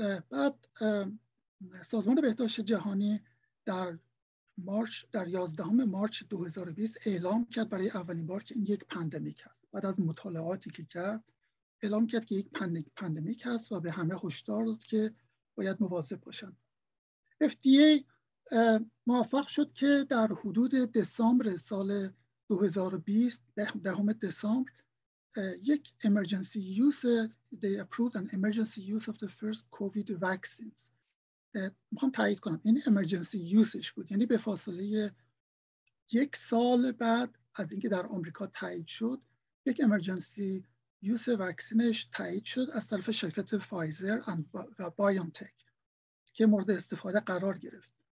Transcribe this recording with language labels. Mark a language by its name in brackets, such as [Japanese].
[Persian] بعد سازمان بهداشت جهانی در مارچ، در 11 مارچ 2020 اعلام کرد برای اولین بار که این یک پندمیک هست. بعد از مطالعاتی که کرد اعلام کرد که یک پندمیک هست و به همه هشدار داد که باید مواظب باشن. [English] FDA [Persian] موفق شد که در حدود دسامبر سال 2020، 10 دسامبر، یک [English] emergency use، they approved an emergency use of the first COVID vaccines. [Persian] میخوام تایید کنم این emergency use بود، یعنی به فاصله یک سال بعد از اینکه در آمریکا تایید شد یک emergency use واکسینش تایید شد از طرف شرکت فایزر و بایونتک که مورد استفاده قرار گرفت.